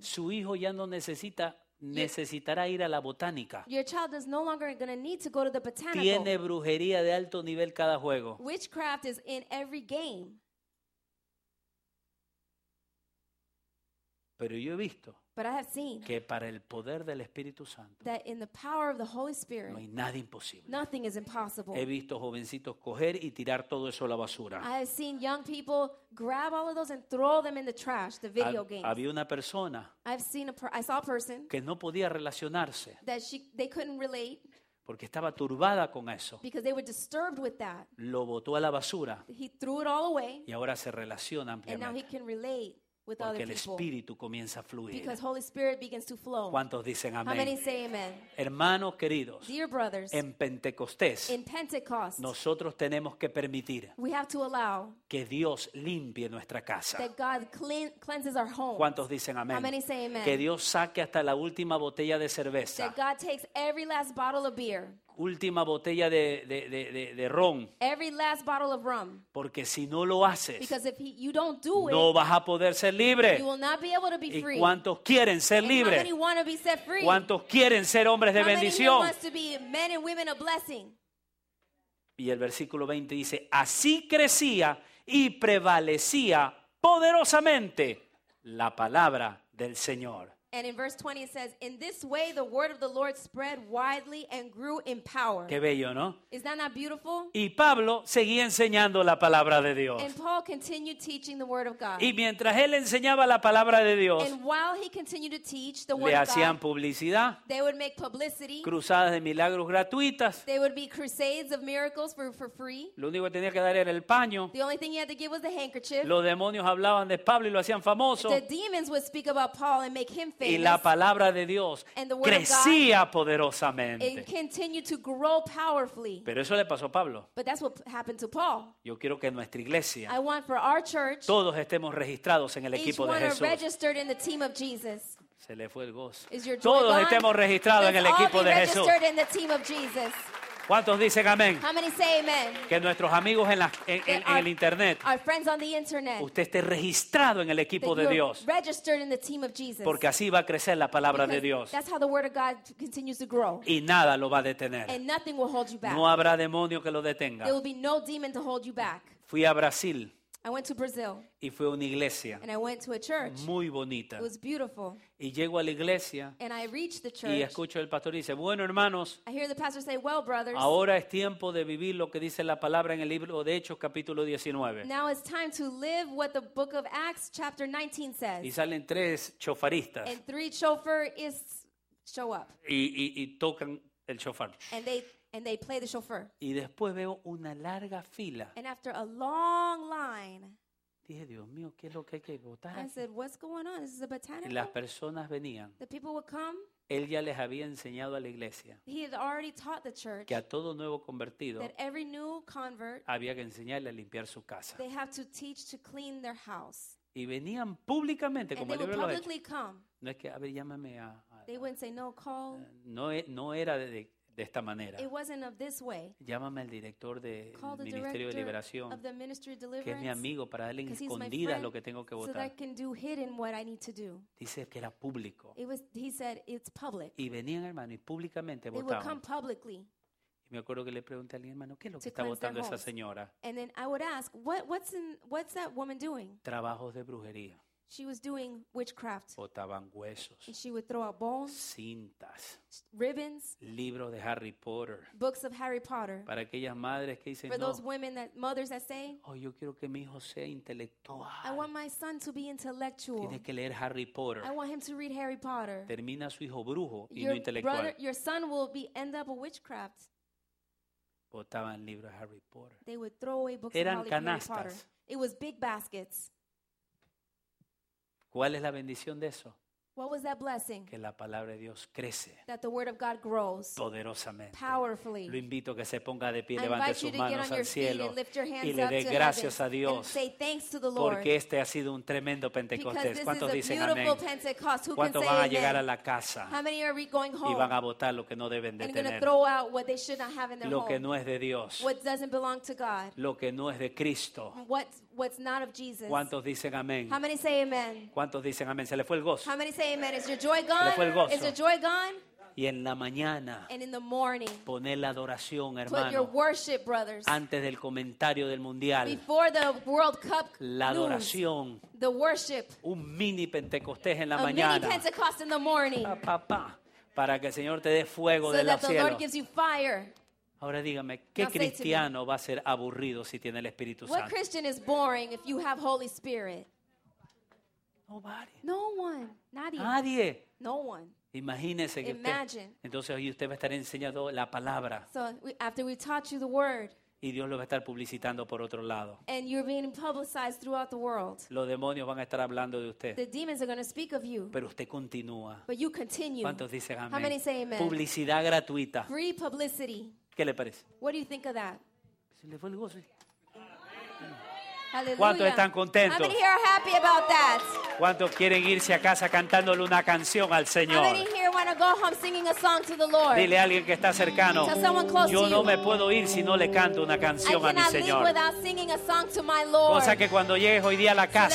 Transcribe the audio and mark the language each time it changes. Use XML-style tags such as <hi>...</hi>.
<es>Su hijo ya no necesita necesitará ir a la botánica.</es> <en>Your child is no longer going to need to go to the botanical.</en> <es>Tiene brujería de alto nivel cada juego.</es> <en>Witchcraft is in every game.</en> <es>Pero yo he visto.</es> <en>But I have seen.</en> <es>Que para el poder del Espíritu Santo.</es> <en>That in the power of the Holy Spirit.</en> <es>No hay nada imposible.</es> <en>Nothing is impossible.</en> <es>He visto jovencitos coger y tirar todo eso a la basura.</es> <en>I have seen young people grab all of those and throw them in the trash, the video games.</en> <es>Había una persona.</es> <en>I've seen I saw a person.</en> <es>Que no podía relacionarse.</es> <en>That they couldn't relate.</en> <es>Porque estaba turbada con eso.</es> <en>Because they were disturbed with that.</en> <es>Lo botó a la basura.</es> <en>He threw it all away.</en> <es>Y ahora se relaciona ampliamente.</es> <en>And now he can relate. With</en> <es>porque el Espíritu comienza a fluir.</es> <en>Because Holy Spirit begins to flow.</en> <es>¿Cuántos dicen amén?</es> <en>How many say amen?</en> <es>Hermanos queridos,</es> <en>dear brothers,</en> <es>en Pentecostés,</es> <en>in Pentecost,</en> <es>nosotros tenemos que permitir</es> <en>we have to allow</en> <es>que Dios limpie nuestra casa.</es> <en>That God cleanses our home.</en> <es>¿Cuántos dicen amén?</es> <en>How many say amen?</en> <es>Que Dios saque hasta la última botella de cerveza.</es> <en>That God takes every last bottle of beer.</en> <es>Última botella de ron.</es> <en>Every last bottle of rum.</en> <es>Porque si no lo haces,</es> <en>because if you don't do it,</en> <es>no vas a poder ser libre.</es> <en>You will not be able to be free.</en> <es>¿Y cuántos quieren ser libres?</es> <en>And how many want to be set free?</en> <es>¿Cuántos quieren ser hombres de bendición?</es> <en>How many want to be men and women of blessing?</en> <es>Y el versículo 20 dice, así crecía y prevalecía poderosamente la palabra del Señor.</es> <en>And in verse 20 it says, in this way the word of the Lord spread widely and grew in power.</en> <es>Qué bello, ¿no?</es> <en>Is that not beautiful?</en> <es>Y Pablo seguía enseñando la palabra de Dios.</es> <en>And Paul continued teaching the word of God.</en> <es>Y mientras él enseñaba la palabra de Dios,</es> <en>and while he continued to teach the word of</en> <es>God, le hacían publicidad,</es> <en>they would make publicity,</en> <es>cruzadas de milagros gratuitas,</es> <en>they would be crusades of miracles for free.</en> <es>Lo único que tenía que dar era el paño.</es> <en>The only thing he had to give was the handkerchief.</en> <es>Los demonios hablaban de Pablo y lo hacían famoso.</es> <en>The demons would speak about Paul and make him famous.</en> <es>Y la palabra de Dios crecía poderosamente.</es> <en>It continued to grow powerfully.</en> <es>Pero eso le pasó a Pablo.</es> <en>But that's what happened to Paul.</en> <es>Yo quiero que nuestra iglesia,</es> <en>I want for our church,</en> <es>todos estemos registrados en el equipo de Jesús.</es> <en>Each one are registered in the team of Jesus.</en> <es>Se le fue el gozo.</es> <en>Is your joy</en> <es>todos</es> <en>gone?</en> <es>Estemos registrados</es> <en>Let's</en> <es>en el equipo de Jesús.</es> <en>Registered in the team of Jesus.</en> <es>¿Cuántos dicen amén?</es> <en>How many say amen?</en> <es>Que nuestros amigos en, la, en el internet,</es> <en>our friends on the internet,</en> <es>usted esté registrado en el equipo de Dios.</es> <en>Registered in the team of Jesus.</en> <es>Porque así va a crecer la palabra</es> <en>Because</en> <es>de Dios.</es> <en>That's how the word of God continues to grow.</en> <es>Y nada lo va a detener.</es> <en>And nothing will hold you back.</en> <es>No habrá demonio que lo detenga.</es> <en>There will be no demon to hold you back.</en> <es>Fui a Brasil.</es> <en>I went to Brazil.</en> <es>Y fui a una iglesia.</es> <en>And I went to a church.</en> <es>Muy bonita.</es> <en>It was beautiful.</en> <es>Y llego a la iglesia.</es> <en>And I reached the church.</en> <es>Y escucho el pastor y dice, bueno, hermanos.</es> <en>I hear the pastor say, well, brothers.</en> <es>Ahora es tiempo de vivir lo que dice la palabra en el libro de Hechos, capítulo 19.</es> <en>Now it's time to live what the book of Acts, chapter 19 says.</en> <es>Y salen tres chofaristas.</es> <en>And three chofarists show up.</en> <es>Y tocan el chofar.</es> <en>And they play the chauffeur.</en> <es>Y después veo una larga fila.</es> <en>And after a long line.</en> <es>Dije, Dios mío, ¿qué es lo que hay que botar?</es> <en>I said, what's going on? This is a botanical.</en> <es>Y las personas venían.</es> <en>The people would come.</en> <es>Él ya les había enseñado a la iglesia.</es> <en>He had already taught the church.</en> <es>Que a todo nuevo convertido.</es> <en>That every new convert.</en> <es>Había que enseñarle a limpiar su casa.</es> <en>They have to teach to clean their house.</en> <es>Y venían públicamente,</es> <en>and</en> <es>como el libro lo ha hecho. No es que, a ver, llámame a.</es> <en>They wouldn't say, no, call.</en> <es>No era de esta manera.</es> <en>It wasn't of this way.</en> <es>Llámame al director del Ministerio de Liberación,</es> <en>of the Ministry of Deliverance,</en> <es>que es mi amigo, para darle en escondidas lo que tengo que votar.</es> <en>So that I can do hidden what I need to do.</en> <es>Dice que era público.</es> <en>It was, he said, it's public.</en> <es>Y venían, hermano, y públicamente votaban.</es> <en>They would come publicly.</en> <es>Y me acuerdo que le pregunté a alguien, hermano, ¿qué es lo que está votando esa señora?</es> <en>And then I would ask, what's that woman doing?</en> <es>Trabajos de brujería.</es> <en>She was doing witchcraft.</en> <es>Botaban huesos.</es> <en>And she would throw out bones.</en> <es>Cintas.</es> <en>Ribbons.</en> <es>Libros de Harry Potter.</es> <en>Books of Harry Potter.</en> <es>Para aquellas madres que dicen,</es> <en>for those women that mothers that say,</en> <es>oh, yo quiero que mi hijo sea intelectual.</es> <en>I want my son to be intellectual.</en> <es>Tiene que leer Harry Potter.</es> <en>I want him to read Harry Potter.</en> <es>Termina su hijo brujo y no intelectual.</es> <en>Your son will be end up a witchcraft.</en> <es>Botaban libros de Harry Potter.</es> <en>They would throw away books</en> <es>eran</es> <en>of Harry</en> <es>canastas.</es> <en>Potter. It was big baskets.</en> <es>¿Cuál es la bendición de eso?</es> <en>What was that blessing?</en> <es>Que la palabra de Dios crece.</es> <en>That the word of God grows.</en> <es>Poderosamente.</es> <en>Powerfully.</en> <es>Lo invito a que se ponga de pie, levante sus manos al cielo.</es> <en>I invite you to get on your feet and lift your hands up to heaven. And say thanks to the Lord.</en> <es>Porque este ha sido un tremendo Pentecostés. ¿Cuántos dicen</es> <en>amén? Beautiful Pentecost. Who</en> <es>¿cuántos</es> <en>can say</en> <es>van a llegar a la casa?</es> <en>How many are going home?</en> <es>Y van a botar lo que no deben de tener.</es> <en>And gonna throw out what they should not have in their</en> <es>lo</es> <en>home.</en> <es>Que no es de Dios.</es> <en>What doesn't belong to God.</en> <es>Lo que no es de Cristo.</es> <en>What's not of Jesus.</en> <es>¿Cuántos dicen amén?</es> <en>How many say amen?</en> <es>¿Cuántos dicen amén? Se le fue el gozo.</es> <en>How many say amen? Is your joy gone?</en> <es>Se le fue el gozo.</es> <en>Is your joy gone?</en> <es>Y en la mañana,</es> <en>and in the morning,</en> <es>poner la adoración, hermano,</es> <en>put your worship, brothers,</en> <es>antes del comentario del mundial,</es> <en>before the World Cup,</en> <es>la adoración,</es> <en>news, the worship,</en> <es>un mini Pentecostés en la</es> <en>a</en> <es>mañana,</es> <en>mini Pentecost in the morning,</en> <es>papá, para que el Señor te dé fuego</es> <en>so</en> <es>del cielo.</es> <en>So that the Lord gives you fire.</en> <es>Ahora dígame, ¿qué</es> <en>now</en> <es>cristiano</es> <en>me,</en> <es>va a ser aburrido si tiene el Espíritu</es> <en>what</en> <es>Santo?</es> <en>What Christian is boring if you have Holy Spirit? Nobody. No one.</en> <es>Nadie. Nadie.</es> <en>No one.</en> <es>Imagínese que</es> <en>imagine.</en> <es>Usted, entonces hoy usted va a estar enseñando la palabra.</es> <en>So after we taught you the word.</en> <es>Y Dios lo va a estar publicitando por otro lado.</es> <en>And you're being publicized throughout the world.</en> <es>Los demonios van a estar hablando de usted.</es> <en>The demons are going to speak of you.</en> <es>Pero usted continúa.</es> <en>But you continue.</en> <es>¿Cuántos dicen amén?</es> <en>How many say amen?</en> <es>Publicidad gratuita.</es> <en>Free publicity.</en> <es>¿Qué le parece?</es> <en>What do you think of that?</en> <es>Se le fue el gozo.</es> <en>Hallelujah.</en> <es>¿Cuántos están contentos?</es> <en>How many here are happy about that?</en> <es>¿Cuántos quieren irse a casa cantándole una canción al Señor?</es> <en>How many here want to go home singing a song to the Lord?</en> <es>Dile a alguien que está cercano.</es> <en>Tell someone close to you.</en> <es>Yo no me puedo ir si no le canto una canción a mi Señor.</es> <en>I cannot leave without singing a song to my Lord.</en> <es>O sea que cuando llegues hoy día a la casa,</es>